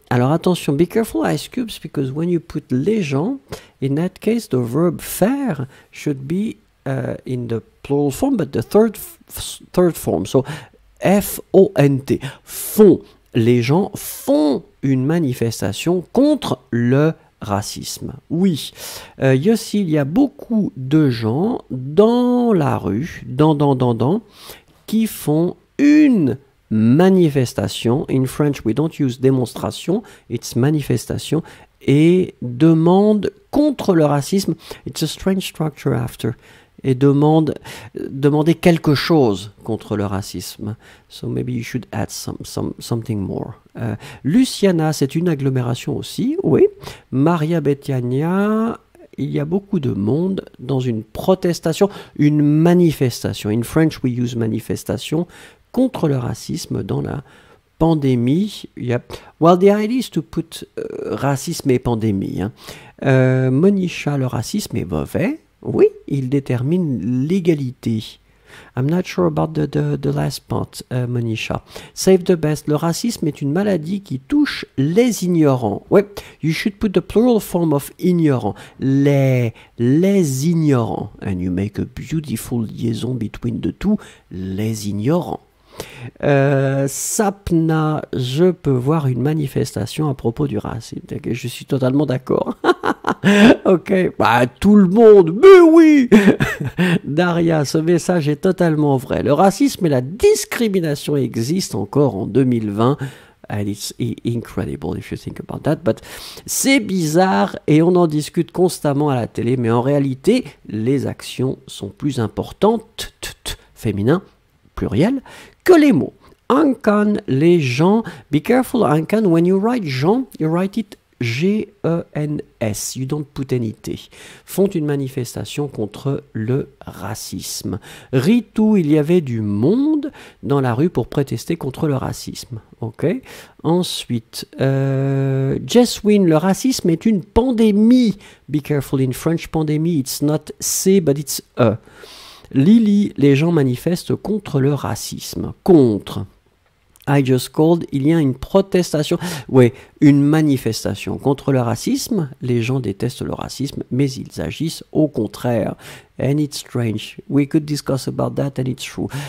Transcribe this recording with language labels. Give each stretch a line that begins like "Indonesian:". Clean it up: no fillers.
French: Alors attention,
English: be careful ice cubes, because when you put les gens, in that case, the verb faire should be in the plural form, but the third form. So, F-O-N-T, font.
French: Les gens font une manifestation contre le racisme. Oui. Yossi, il y a beaucoup de gens dans la rue, dans, qui font une manifestation.
English: In French, we don't use démonstration, it's manifestation.
French: Et demandent contre le racisme.
English: It's a strange structure after.
French: Et demander quelque chose contre le racisme.
English: So maybe you should add something more. Luciana,
French: c'est une agglomération aussi, oui. Maria Betiania, il y a beaucoup de monde dans une protestation, une manifestation.
English: In French, we use
French: manifestation contre le racisme dans la pandémie.
English: Yep. Well, the idea is to put
French: racisme et pandémie.
English: Hein.
French: Monisha, le racisme est mauvais. Oui, il détermine l'égalité.
English: I'm not sure about the last part, Monisha. Save the best.
French: Le racisme est une maladie qui touche les ignorants.
English: Oui, you should put the plural form of ignorant.
French: Les ignorants.
English: And you make a beautiful liaison between the two.
French: Les ignorants. Sapna, je peux voir une manifestation à propos du racisme. Je suis totalement d'accord. Ok, bah, tout le monde, mais oui. Daria, ce message est totalement vrai. Le racisme et la discrimination existent encore en 2020.
English: And it's incredible if you think about that.
French: But c'est bizarre et on en discute constamment à la télé. Mais en réalité, les actions sont plus importantes. Féminin, pluriel. Que les mots.
English: Ankan, les gens. Be careful, Ankan. When you write Jean, you write it G-E-N-S, you don't put any T,
French: font une manifestation contre le racisme. Ritu, il y avait du monde dans la rue pour protester contre le racisme. Ok. Ensuite, Jesswin, le racisme est une pandémie.
English: Be careful in French, pandémie, it's not C, but it's E.
French: Lily, les gens manifestent contre le racisme. Contre.
English: I just called,
French: il y a une protestation, oui, une manifestation contre le racisme. Les gens détestent le racisme, mais ils agissent au contraire.
English: And it's strange. We could discuss about that and it's true.